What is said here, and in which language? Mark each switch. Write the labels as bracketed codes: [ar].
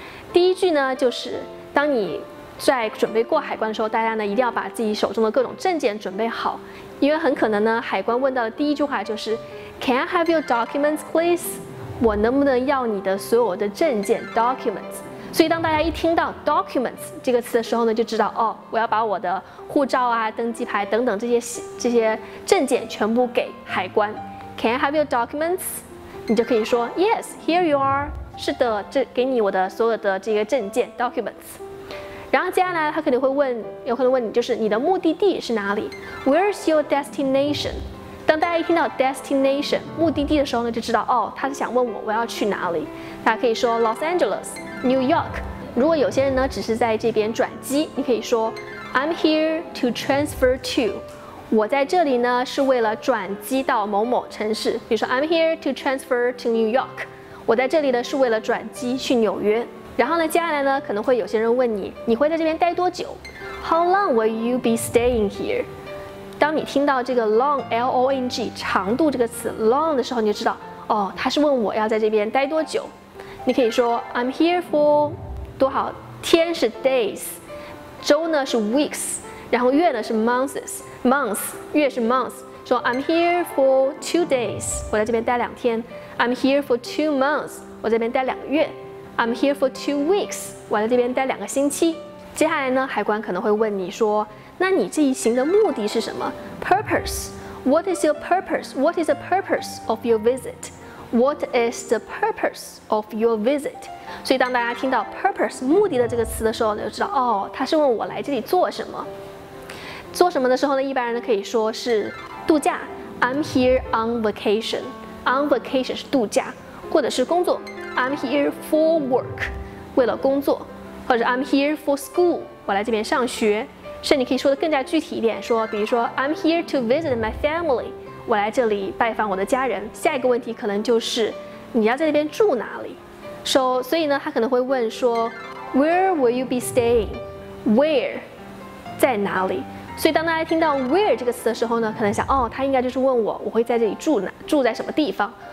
[zh] 第一句呢，就是当你在准备过海关的时候，大家呢一定要把自己手中的各种证件准备好，因为很可能呢，海关问到的第一句话就是 [en] Can I have your documents, please? [zh] 我能不能要你的所有的证件 documents? 所以当大家一听到 documents 这个词的时候呢，就知道哦，我要把我的护照啊、登机牌等等这些证件全部给海关。 [en] Can I have your documents? [zh] 你就可以说 [en] Yes, here you are. [zh] 是的，这给你我的所有的这个证件 documents。然后接下来他肯定会问，有可能问你就是你的目的地是哪里 ？ [en] Where's your destination? [zh] 当大家一听到 destination 目的地的时候呢，就知道哦，他是想问我要去哪里。大家可以说 Los Angeles, New York。如果有些人呢只是在这边转机，你可以说 [en] I'm here to transfer to。 [zh] 我在这里呢是为了转机到某某城市。比如说 [en] I'm here to transfer to New York。 [zh] 我在这里呢是为了转机去纽约。然后呢，接下来呢可能会有些人问你会在这边待多久 ？ [en] How long will you be staying here? [zh] 当你听到这个 long L-O-N-G 长度这个词 long 的时候，你就知道哦，他是问我要在这边待多久。你可以说 [en] I'm here for [zh] 多少天是 days， 周呢是 weeks， 然后月呢是 months， 月是 months。说 [en] I'm here for 2 days， [zh] 我在这边待两天。 [en] I'm here for 2 months， [zh] 我在这边待两个月。 [en] I'm here for 2 weeks， [zh] 我在这边待两个星期。接下来呢，海关可能会问你说。那你这一行的目的是什么 ？Purpose. [en] What is your purpose? What is the purpose of your visit? What is the purpose of your visit? [zh] 所以当大家听到 purpose 目的的这个词的时候，你就知道哦，他是问我来这里做什么。做什么的时候呢？一般人呢可以说是度假。 [en] I'm here on vacation. [zh] On vacation 是度假，或者是工作。 [en] I'm here for work. [zh] 为了工作，或者 [en] I'm here for school. [zh] 我来这边上学。甚至你可以说的更加具体一点，说比如说 [en] I'm here to visit my family， [zh] 我来这里拜访我的家人。下一个问题可能就是你要在那边住哪里。所以呢他可能会问说 [en] Where will you be staying? [zh] Where 在哪里。所以当大家听到 where 这个词的时候呢，可能想哦，他应该就是问我会在这里住在什么地方。